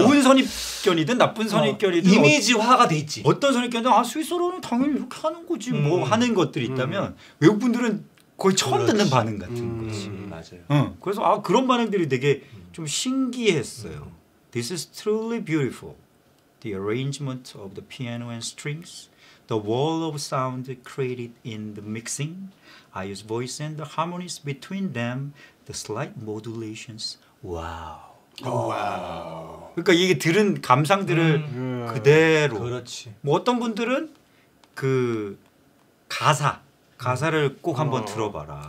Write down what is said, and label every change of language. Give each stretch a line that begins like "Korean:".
Korean: 좋은 선입견이든 나쁜 선입견이든 이미지화가 돼 있지. 어떤 선입견은 아 스위스로는 당연히 이렇게 하는 거지 뭐 하는 것들이 있다면 외국 분들은 거의 처음 그렇지. 듣는 반응 같은 거지. 맞아요. 그래서 아 그런 반응들이 되게 좀 신기했어요.
English: This is truly beautiful. the arrangement of the piano and strings, the wall of sound created in the mixing, I's voice and the harmonies between them, the slight modulations. Wow.
Korean: 그러니까 이게 들은 감상들을 그대로. 그렇지. 뭐 어떤 분들은 그 가사를 꼭 한번 들어봐라.